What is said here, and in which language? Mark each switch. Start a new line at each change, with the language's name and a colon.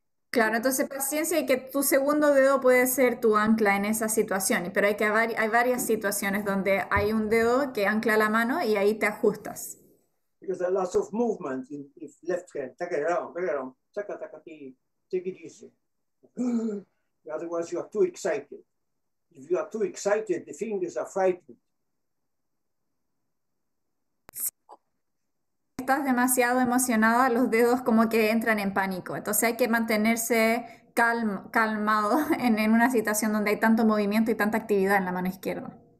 Spanish: Claro, entonces paciencia y que tu segundo dedo puede ser tu ancla en esa situación. Pero hay varias situaciones donde hay un dedo que ancla la mano y ahí te ajustas.
English: Because there are lots of movement in if left hand. Take it around, take it around. Taka, taka, take it easy. Otherwise you are too excited. If you are too excited, the fingers are frightened.
Spanish: Estás demasiado emocionada, los dedos como que entran en pánico. Entonces hay que mantenerse calmado en una situación donde hay tanto movimiento y tanta actividad en la mano izquierda.